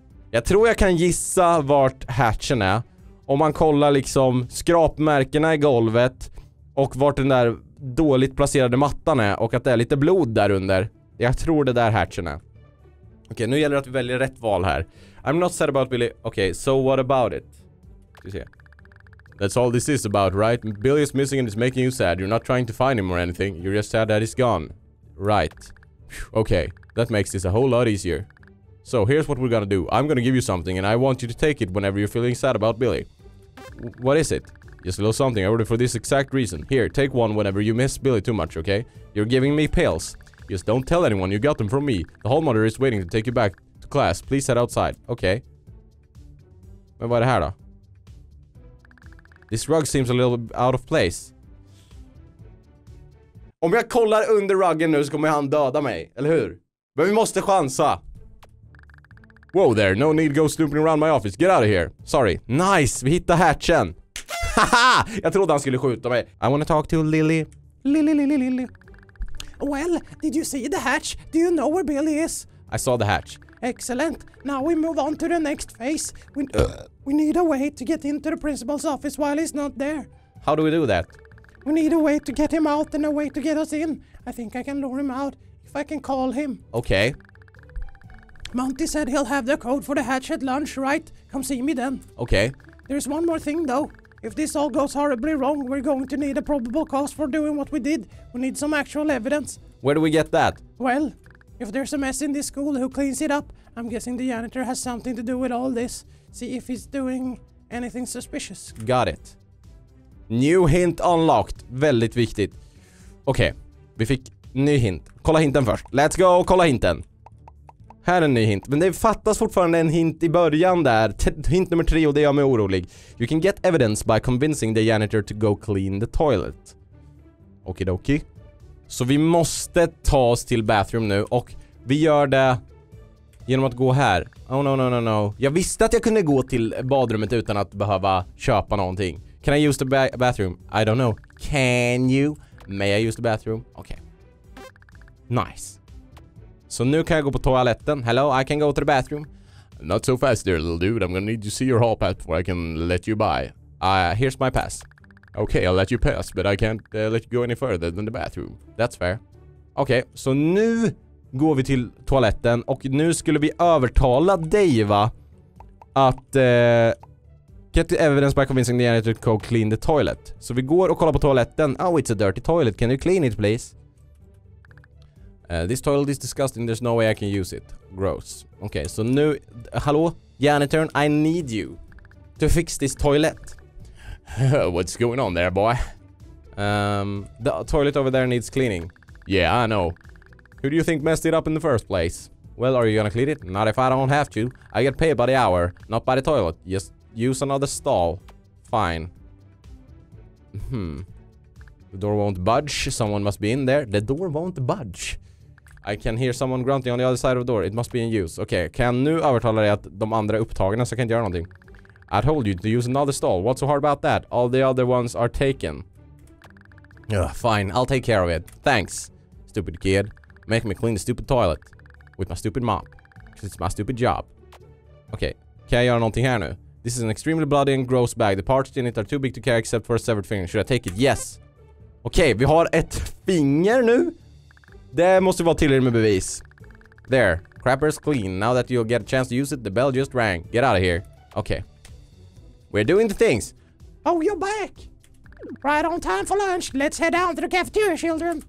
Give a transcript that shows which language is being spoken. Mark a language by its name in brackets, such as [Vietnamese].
[Swedish] Jag tror jag kan gissa vart hatchen är. Om man kollar liksom skrapmärkena i golvet. Och vart den där dåligt placerade mattan är. Och att det är lite blod där under. Jag tror det där hatchen är. Okej, nu gäller det att vi väljer rätt val här. [English] I'm not sad about Billy. Okej, so what about it? [Swedish] Ska vi se. [English] That's all this is about, right? Billy is missing and it's making you sad. You're not trying to find him or anything. You're just sad that he's gone. Right. Okej, that makes this a whole lot easier. So here's what we're gonna do. I'm gonna give you something and I want you to take it whenever you're feeling sad about Billy. What is it? Just a little something. I ordered for this exact reason. Here, take one whenever you miss Billy too much, okay? You're giving me pills. Just don't tell anyone you got them from me. The hall monitor is waiting to take you back to class. Please head outside. Okay. [Swedish] Men vad är det här då? [English] This rug seems a little out of place. [Swedish] Om jag kollar under ruggen nu så kommer han döda mig, eller hur? Men vi måste chansa. [English] Whoa there, no need to go snooping around my office. Get out of here. Sorry. [Swedish] Nice, vi hittar hatchen. Haha, jag trodde han skulle skjuta mig. [English] I wanna talk to Lily. Lily. Well, did you see the hatch? Do you know where Billy is? I saw the hatch. Excellent. Now we move on to the next phase. We need a way to get into the principal's office while he's not there. How do we do that? We need a way to get him out and a way to get us in. I think I can lure him out if I can call him. Okay. Monty said he'll have the code for the hatch at lunch, right? Come see me then. Okay. There's one more thing, though. If this all goes horribly wrong, we're going to need a probable cause for doing what we did. We need some actual evidence. Where do we get that? Well, if there's a mess in this school, who cleans it up? I'm guessing the janitor has something to do with all this. See if he's doing anything suspicious. Got it. New hint unlocked. [Swedish] Väldigt viktigt. Okej, vi fick ny hint. Kolla hinten först. [English] Let's go [Swedish] och kolla hinten. Här är en ny hint, men det fattas fortfarande en hint i början där. Hint nummer 3 och det gör mig orolig. [English] You can get evidence by convincing the janitor to go clean the toilet. Okidoki. [Swedish] Så vi måste ta oss till bathroom nu. Och vi gör det genom att gå här. [English] Oh no no no no. [Swedish] Jag visste att jag kunde gå till badrummet utan att behöva köpa någonting. [English] Can I use the bathroom? I don't know. Can you? May I use the bathroom? Okay. Nice. [Swedish] Så nu kan jag gå på toaletten. [English] Hello, I can go to the bathroom. Not so fast there, little dude. I'm gonna need to see your hall pass before I can let you by. Here's my pass. Okay, I'll let you pass, but I can't let you go any further than the bathroom. That's fair. [Swedish] Okay, så nu går vi till toaletten och nu skulle vi övertala Dave att [English] get the evidence by convincing the janitor to clean the toilet. [Swedish] Så vi går och kollar på toaletten. [English] Oh, it's a dirty toilet. Can you clean it, please? This toilet is disgusting. There's no way I can use it. Gross. Okay, so nu... hallå, janitor, I need you to fix this toilet. What's going on there, boy? The toilet over there needs cleaning. Yeah, I know. Who do you think messed it up in the first place? Well, are you gonna clean it? Not if I don't have to. I get paid by the hour, not by the toilet. Just use another stall. Fine. The door won't budge. Someone must be in there. The door won't budge. I can hear someone grunting on the other side of the door. It must be in use. [Swedish] Okay, kan nu övertala dig att de andra är upptagna så kan inte göra någonting. [English] I told you to use another stall. What's so hard about that? All the other ones are taken. Fine, I'll take care of it. Thanks, stupid kid. Make me clean the stupid toilet with my stupid mop. Because it's my stupid job. [Swedish] Okay, kan jag göra någonting här nu? [English] This is an extremely bloody and gross bag. The parts in it are too big to carry except for a severed finger. Should I take it? Yes. [Swedish] Okay, vi har ett finger nu. Det måste vara tillräckligt med bevis. [English] There, crapper's clean. Now that you'll get a chance to use it, the bell just rang. Get out of here. Okay. We're doing the things. Oh, you're back. Right on time for lunch. Let's head down to the cafeteria, children.